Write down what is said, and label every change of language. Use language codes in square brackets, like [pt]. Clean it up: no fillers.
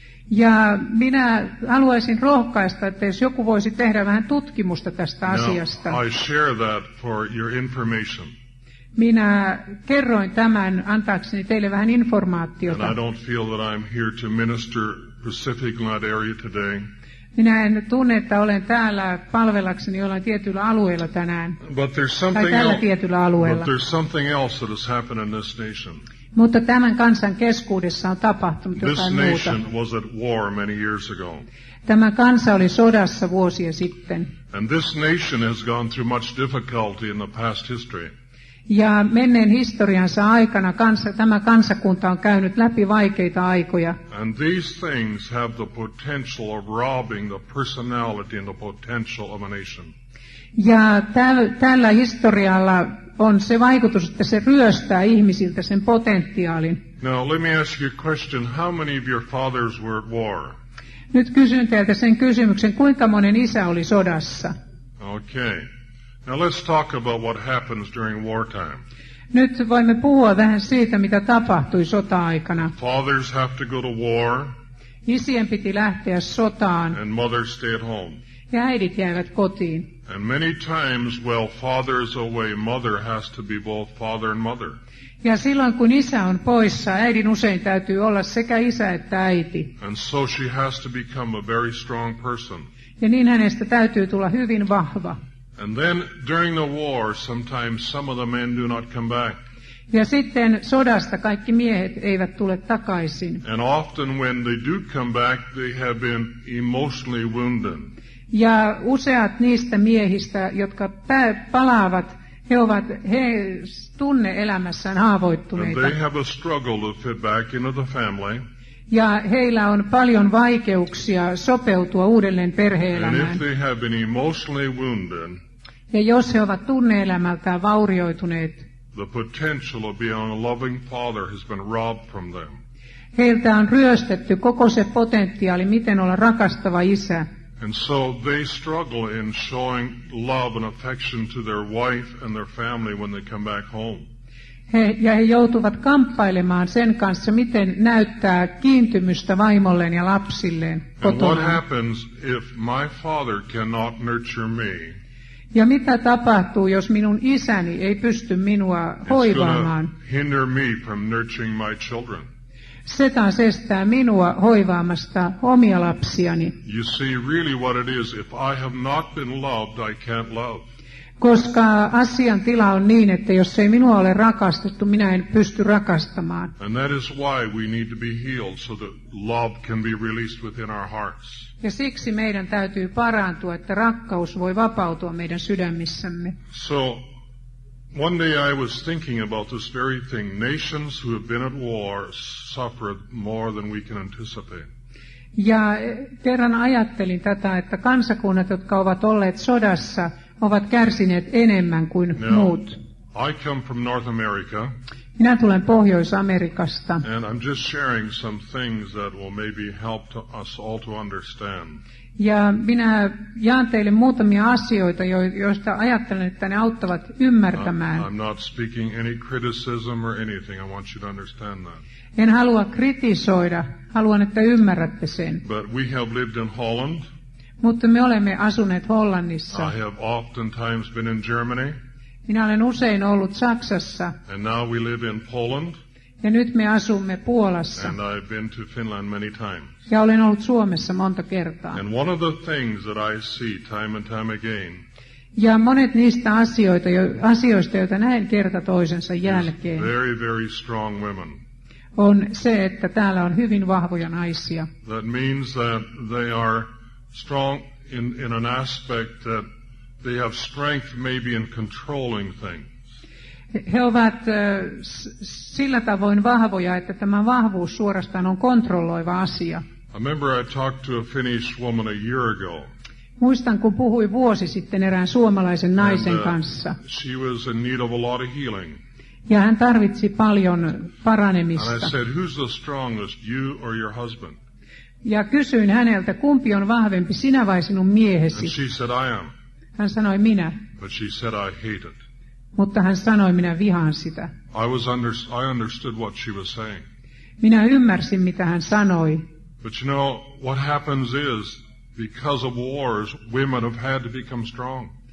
[fi] Ja minä haluaisin rohkaista, että jos joku voisi tehdä vähän tutkimusta tästä asiasta. [en] Now, I share that for your information. [fi] Minä kerroin tämän antaakseni teille vähän informaatiota. [en] And I don't feel that I'm here to minister specifically in that area today. [fi] Minä en tunne, että olen täällä palvelakseni jollain tietyllä alueella tänään. Tai tällä tietyllä alueella. [en] But there's something else that has happened in this nation. [fi] Mutta tämän kansan keskuudessa on tapahtunut jotain [en] this [fi] muuta. [en] Nation was at war many years ago. [fi] Tämä kansa oli sodassa vuosia sitten. [en] And this nation has gone through much difficulty in the past history. [fi] Ja menneen historiansa aikana tämä kansakunta on käynyt läpi vaikeita aikoja. [en] And these things have the potential of robbing the personality and the potential of a nation. [fi] Ja tällä historialla on se vaikutus, että se ryöstää ihmisiltä sen potentiaalin. [en] Now let me ask you a question. How many of your fathers were at war? [fi] Nyt kysyn teiltä sen kysymyksen, kuinka monen isä oli sodassa? [en] Okay. Now let's talk about what happens during wartime. [fi] Nyt voimme puhua vähän siitä, mitä tapahtui sota-aikana. [en] Fathers have to go to war. [fi] Isien piti lähteä sotaan. [en] And mothers stay at home. [fi] Ja äidit jäivät kotiin. [en] And many times while father is away, mother has to be both father and mother. [fi] Ja silloin kun isä on poissa, äidin usein täytyy olla sekä isä että äiti. [en] And so she has to become a very strong person. [fi] Ja niin hänestä täytyy tulla hyvin vahva. [en] And then during the war sometimes some of the men do not come back. [fi] Ja sitten sodasta kaikki miehet eivät tule takaisin. [en] And often when they do come back they have been emotionally wounded. [fi] Ja useat niistä miehistä, jotka palaavat, He ovat, he tunne elämässään haavoittuneita. [en] And they have a struggle to fit back into the family. [fi] Ja heillä on paljon vaikeuksia sopeutua uudelleen perhe-elämään. [en] And if they have been emotionally wounded, [fi] ja jos he ovat tunne-elämältään vaurioituneet, [en] the potential of being a loving father has been robbed from them. [fi] Heiltä on ryöstetty koko se potentiaali, miten olla rakastava isä. [en] And so they struggle in showing love and affection to their wife and their family when they come back home. [fi] He joutuvat kamppailemaan sen kanssa, miten näyttää kiintymystä vaimolleen ja lapsilleen kotona. [en] And what happens if my father cannot nurture me? [fi] Ja mitä tapahtuu, jos minun isäni ei pysty minua hoivaamaan? [en] It's gonna hinder me from nurturing my children. [fi] Se taas estää minua hoivaamasta omia lapsiani. [en] You see really what it is, if I have not been loved, I can't love. [fi] Koska asian tila on niin, että jos ei minua ole rakastettu, minä en pysty rakastamaan. [en] And that is why we need to be healed so that love can be released within our hearts. [fi] Ja siksi meidän täytyy parantua, että rakkaus voi vapautua meidän sydämissämme. [en] So one day I was thinking about this very thing. Nations who have been at war suffered more than we can anticipate. [fi] Ja kerran ajattelin tätä, että kansakunnat, jotka ovat olleet sodassa, ovat kärsineet enemmän kuin [en] now, [fi] muut. [en] I come from North America. [fi] Minä tulen Pohjois-Amerikasta. [en] And I'm just sharing some things that will maybe help to us all to understand. [fi] Ja minä jaan teille muutamia asioita, joista ajattelen, että ne auttavat ymmärtämään. [en] I'm not speaking any criticism or anything. I want you to understand that. [fi] En halua kritisoida. Haluan, että ymmärrätte sen. [en] But we have lived in Holland. [fi] Mutta me olemme asuneet Hollannissa. [en] I have oftentimes been in Germany. [fi] Minä olen usein ollut Saksassa. [en] And now we live in Poland. [fi] Ja nyt me asumme Puolassa. [en] And I've been to Finland many times. [fi] Ja olen ollut Suomessa monta kertaa. [en] And one of the things that I see time and time again. [fi] Ja monet niistä asioista, joita näen kerta toisensa jälkeen. [en] Very, very strong women. [fi] On se, että täällä on hyvin vahvoja naisia. [en] That means that they are strong in an aspect that they have strength maybe in controlling things. [fi] He ovat sillä tavoin vahvoja, että tämä vahvuus suorastaan on kontrolloiva asia. [en] I remember I talked to a Finnish woman a year ago. [fi] Muistan, kun puhui vuosi sitten erään suomalaisen naisen kanssa. [en] She was in need of a lot of healing. [fi] Ja hän tarvitsi paljon paranemista. [en] And I said, who's the strongest, you or your husband? [fi] Ja kysyin häneltä, kumpi on vahvempi, sinä vai sinun miehesi? [en] And she said, I am. [fi] Hän sanoi, minä. [en] But she said, I hate it. [fi] Mutta hän sanoi, minä vihaan sitä. [en] I understood what she was saying. [fi] Minä ymmärsin, mitä hän sanoi. [en] But you know, what happens is, because of wars, women have had to become strong.